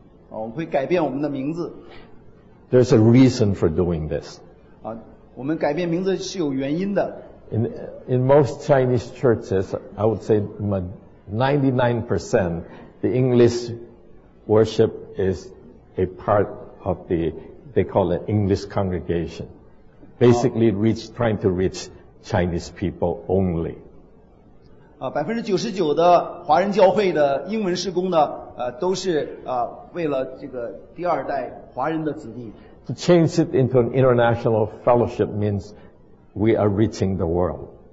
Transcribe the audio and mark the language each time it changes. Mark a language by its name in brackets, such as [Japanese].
[Chinese] 我们会改变我们的名字。 [English] There's a reason for doing this. [Chinese] 我们改变名字是有原因的。 [English] In most Chinese churches, I would say 99%, the English worship is a part of the, they call it English congregation. Basically, trying to reach Chinese people only. [Chinese] 99% 的华人教会的英文事工呢，都是为了这个第二代华人的子弟。 [English] To change it into an international fellowship means we are reaching the world.